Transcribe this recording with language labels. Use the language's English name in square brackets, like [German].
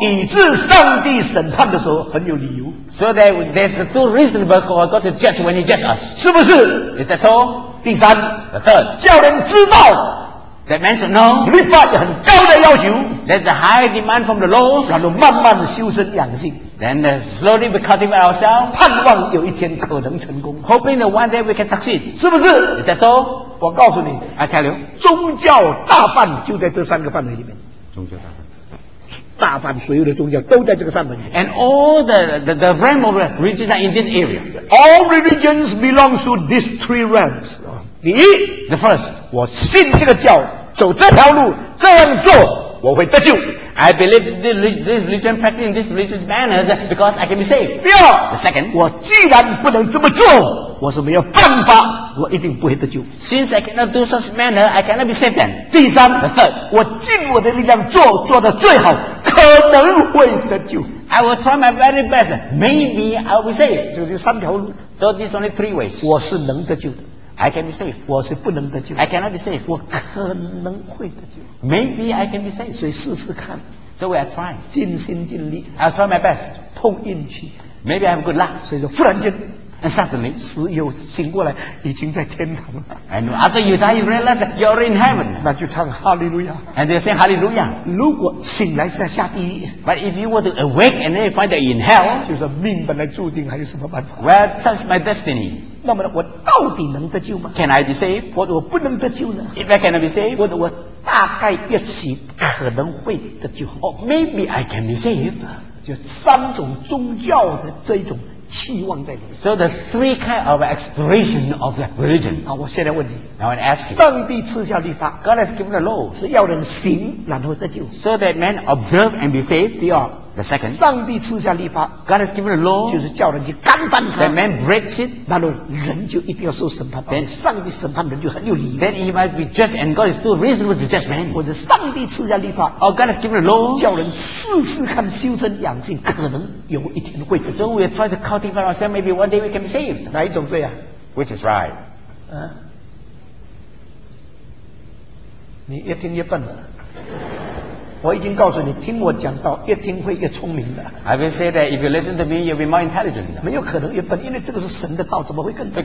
[Chinese] 以致上帝审判的时候很有理由 [English] ，so that there's two reasonable for God to judge when He judges us， [Chinese] 是不是 [English] ？Is that so？ [Chinese] 第三 [English] ，the third [Chinese] 叫人知道。 [English] That man should know. [Chinese] 律法有很高的要求。 [English] There's a high demand from the laws. [Chinese] 然后慢慢修身养性。 [English] Then slowly we cultivate ourselves. [Chinese] 盼望有一天可能成功。 [English] Hoping that one day we can succeed. [Chinese] 是不是？ [English] Is that so? [Chinese] 我告诉你。 [English] I tell you. [Chinese] 宗教大范就在这三个范围里面。宗教大范。大范所有的宗教都在这个范围里面。 [English] And all the realm of religion are in this area. All religions belong to these three realms. [Chinese] 第一 [English] ，the first， [Chinese] 我信这个教，走这条路，这样做我会得救。 [English] I believe this religion, practicing this religious manners because I can be saved. [Chinese] 第二 [English] ，the second， [Chinese] 我既然不能这么做，我是没有办法，我一定不会得救。 [English] Since I cannot do such manner, I cannot be saved then. [Chinese] 第三 [English] ，the third， [Chinese] 我尽我的力量做，做得最好，可能会得救。 [English] I will try my very best, maybe I'll be saved. [Chinese] 就这三条路 [English] ，so these only three ways， [Chinese] 我是能得救的。 [English] I can be saved. [Chinese] 我是不能得救。 [English] I cannot be saved. [Chinese] 我可能会得救。 [English] Maybe I can be saved. [Chinese] 所以试试看。 [English] So we are trying. [Chinese] 尽心尽力。 [English] I'll try my best. [Chinese] 碰运气。 [English] Maybe I have good luck. [Chinese] 所以说忽然间。 [English] And suddenly. [Chinese] 死又醒过来，已经在天堂了。 [English] And after you die, you realize you're in heaven. [Chinese] 那就唱 Hallelujah. [English] And they sing Hallelujah. [Chinese] 如果醒来是在下地狱。 [English] But if you were to awake and then you find that in hell. [Chinese] 就是命本来注定，还有什么办法？ [English] Well, that's my destiny. [Chinese] 那么我到底能得救吗？ [English] Can I be saved? [Chinese] 我不能得救呢？ [English] If I cannot be saved? [Chinese] 我大概一起可能会的就好。 [English] Maybe I can be safe。 [Chinese] 就三种宗教的这种期望在里面。 [English] So the three kind of expiration of the religion。 [Chinese] 好，我现在问你。 [English] I want to ask you。 [Chinese] 上帝赐下律法。 [English] God has given the law。 [Chinese] 是要人行，然后得救。 [English] So that man observe and be safe。 [Chinese] 第二。 [English] The second。 [Chinese] 上帝赐下律法。 [English] God has given the law。 [Chinese] 就是叫人去干翻他。 [English] That man breaks it。 [Chinese] 然后人就一定要受审判。 [English] Then [Chinese] 上帝审判人就很有理。 [English] Then he might be just and God is too reasonable to judge man。 [Chinese] 或者上帝赐下律法。 [English] Oh, God has given the law。 [Chinese] 叫人试试看修身养性，可能有一天会。 [English] So we try to cultivate ourselves, maybe one day we can be saved。 [Chinese] 哪一种对啊 [English] ？Which is right？ [Chinese] 你越听越笨了。我已经告诉你，听我讲到越听会越聪明的。 [English] I will say that if you listen to me, you'll be more intelligent. [Chinese] 没有可能越笨，因为这个是神的道，怎么会更笨